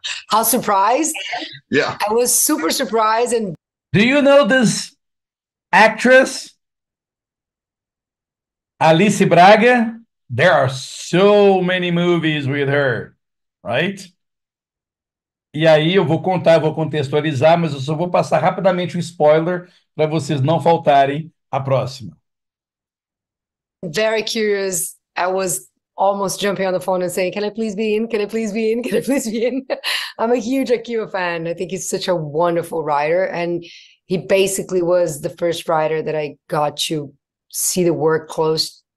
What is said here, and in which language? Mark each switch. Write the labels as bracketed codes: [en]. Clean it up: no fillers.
[en] How surprised? Yeah. I was super surprised. And do you know this actress? Alice Braga? There are so many movies with her, right? [pt] E aí eu vou contar, eu vou contextualizar, mas eu só vou passar rapidamente um spoiler para vocês não faltarem a próxima. [en] Very curious. I was almost jumping on the phone and saying, can I please be in? Can I please be in? Can I please be in? I'm a huge Akiva fan. I think he's such a wonderful writer. And he basically was the first writer that I got to see the work close.